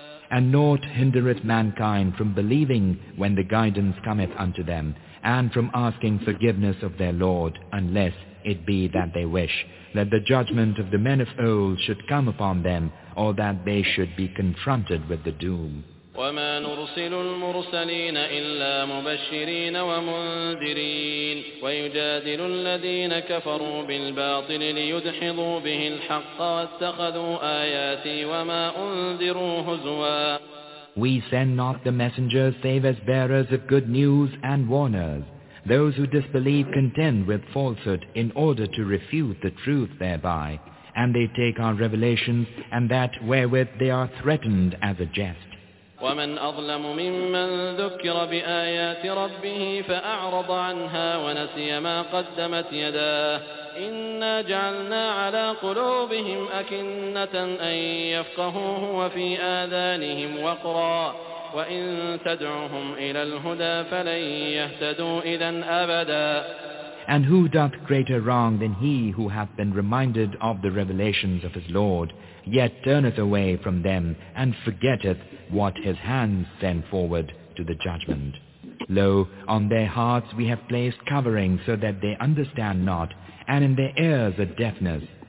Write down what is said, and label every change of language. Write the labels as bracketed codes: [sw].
[en] And naught hindereth mankind from believing when the guidance cometh unto them, and from asking forgiveness of their Lord, unless it be that they wish that the judgment of the men of old should come upon them, or that they should be confronted with the doom. [ar] وما نرسل المرسلين إلا مبشرين ومنذرين ويجادل الذين كفروا بالباطل ليدحضوا به الحق واتخذوا آياتي وما أنذروا هزوا. [en] We send not the messengers save as bearers of good news and warners. Those who disbelieve contend with falsehood in order to refute the truth thereby, and they take our revelations and that wherewith they are threatened as a jest. [ar] ومن أظلم ممن ذكر بآيات ربه فأعرض عنها ونسي ما قدمت يداه إنا جعلنا على قلوبهم أكنة أن يفقهوه وفي آذانهم وقرا وإن تدعهم إلى الهدى فلن يهتدوا إذا أبدا. [en] And who doth greater wrong than he who hath been reminded of the revelations of his Lord, yet turneth away from them and forgetteth what his hands send forward to the judgment? Lo, on their hearts we have placed covering so that they understand not, and in their ears a deafness.